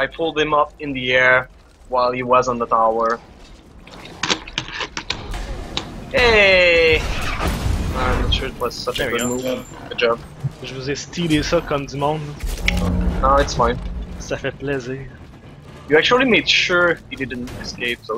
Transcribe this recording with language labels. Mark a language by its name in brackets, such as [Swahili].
[English] I pulled him up in the air while he was on the tower. Hey! I'm not sure it was such a good move. Good job. [French] Je vous ai stylé ça comme du monde. Non, [English] it's fine. [French] Ça fait plaisir. [English] You actually made sure he didn't escape, so...